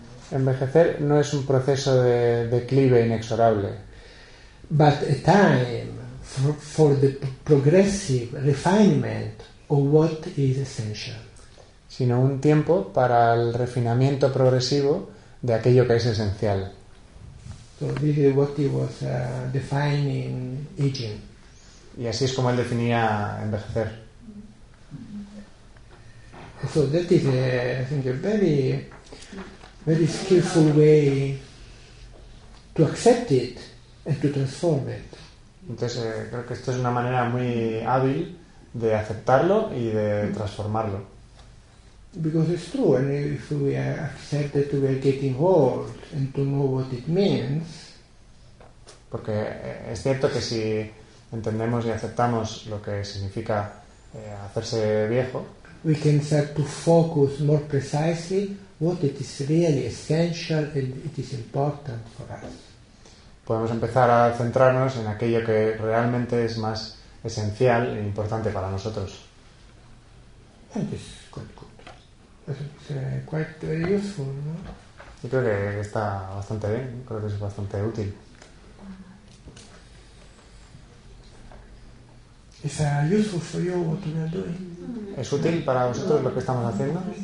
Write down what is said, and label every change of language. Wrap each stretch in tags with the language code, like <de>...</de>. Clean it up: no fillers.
<es>El envejecer no es un proceso de declive inexorable.</es> <en>But a time for the progressive refinement of what is essential.</en> <es>Sino un tiempo para el refinamiento progresivo de aquello que es esencial.</es> <en>So this is what he was defining aging.</en> <es>Y así es como él definía envejecer.</es> <en>So that is I think a very, very skillful way to accept it and to transform it.</en> <es>Entonces creo que esto es una manera muy hábil de aceptarlo y de transformarlo.</es> <en>Because it's true, and if we accept that we are getting old and to know what it means.</en> <es>Porque es cierto que si entendemos y aceptamos lo que significa hacerse viejo,</es> <en>we can start to focus more precisely what it is really essential and it is important for us.</en> <es>Podemos empezar a centrarnos en aquello que realmente es más esencial e importante para nosotros.</es> <en>And this is quite good. It's quite very useful, no?</en> <es>Yo creo que está bastante bien, creo que es bastante útil.</es> <en>Is it useful for you what we are doing?</en> <es>¿Es útil para vosotros lo que estamos haciendo?</es>